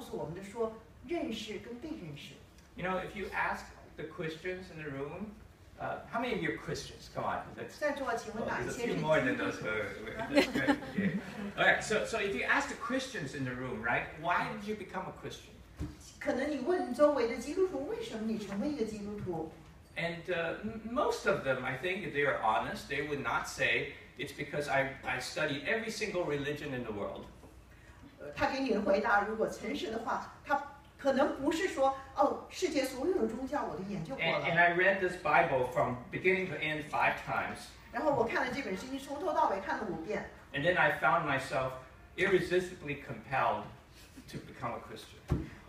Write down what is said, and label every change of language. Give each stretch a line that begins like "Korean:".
Chinese: 事实上我们所找的是一种归属感，是一个完全被接纳的感觉，也是圣经里告诉我们的说认识跟被认识。
English: You know, if you ask the Christians in the room, how many of you are Christians? Come on. There's a few more than those who are. Okay, so if you ask the Christians in the room, right, why did you become a Christian?
Chinese: 可能你问周围的基督徒，为什么你成为一个基督徒？
English: And most of them, I think, if they are honest, they would not say, it's because I study every single religion in the world.
Chinese: 他给你的回答,如果诚实的话,他可能不是说, oh, 世界所有的宗教我都研究过了。
English: And I read this Bible from beginning to end 5 times.
Chinese: 然后我看了这本圣经,从头到尾看了5遍。
English: And then I found myself irresistibly compelled to become a Christian.